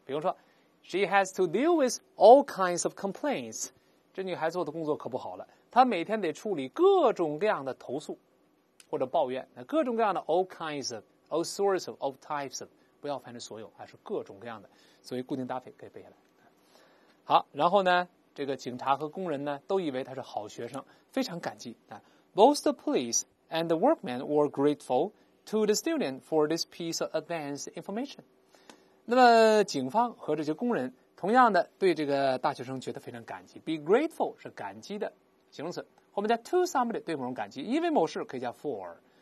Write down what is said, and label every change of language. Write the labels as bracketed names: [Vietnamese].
[Chinese] 比如说 [English] ，She has to deal with all kinds of complaints。 [Chinese] 这女孩做的工作可不好了，她每天得处理各种各样的投诉，或者抱怨，那各种各样的 all kinds of, all sorts of, all types of, 不要翻译所有，还是各种各样的，所以固定搭配可以背下来。好，然后呢，这个警察和工人呢都以为他是好学生，非常感激啊。 [English] Both the police and the workmen were grateful to the student for this piece of advanced information. [Chinese] 那么警方和这些工人同样的对这个大学生觉得非常感激。Be grateful 是感激的形容词，后面加 to somebody 对某人感激，因为某事可以加 for。